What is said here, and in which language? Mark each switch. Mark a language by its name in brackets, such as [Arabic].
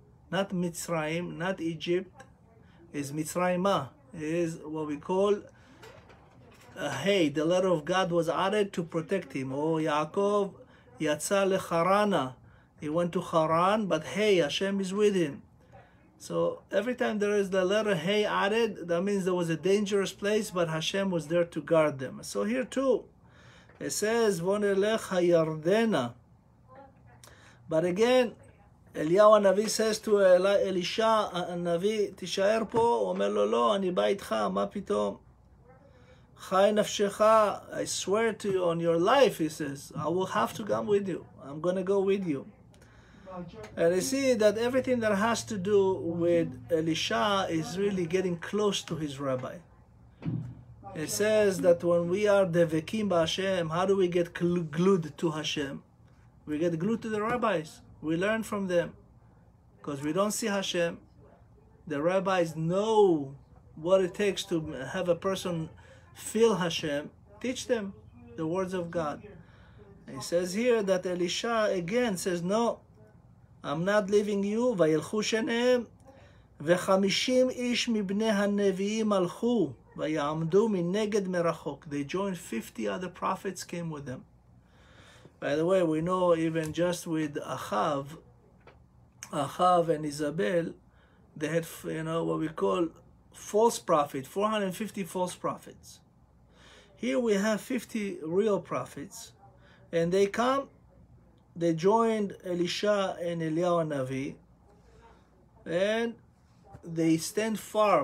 [English] Not מצרים, not Egypt, is מצרימה. Is what we call a hey. The letter of God was added to protect him. Oh, Yaakov, [Hebrew] יצא לחרנה. [English] He went to Haran, but hey, Hashem is with him. So every time there is the letter hey added, that means there was a dangerous place, but Hashem was there to guard them. So here too, it says, [Hebrew] Vonelech hayardena. [English] But again, Eliyahu Navi says to Elisha, Navi, [Hebrew] תישאר פה. הוא אומר לו, לא, אני בא איתך, מה פתאום? חי נפשך, [English] I swear to you on your life, he says, I will have to come with you. I'm going to go with you. And you see that everything that has to do with Elisha is really getting close to his rabbi. It says that when we are devekim b'Hashem, how do we get glued to Hashem? We get glued to the rabbis. We learn from them. Because we don't see Hashem. The rabbis know what it takes to have a person feel Hashem. Teach them the words of God. It says here that Elisha again says, no, I'm not leaving you. [Hebrew] וילכו שניהם, וחמישים איש מבני הנביאים הלכו, ויעמדו מנגד מרחוק. [English] They joined 50 other prophets, came with them. By the way, we know even just with Ahav and Isabel, they had, you know, what we call false prophets, 450 false prophets. Here we have 50 real prophets, and they come, they joined Elisha and Eliyahu Navi, and they stand far.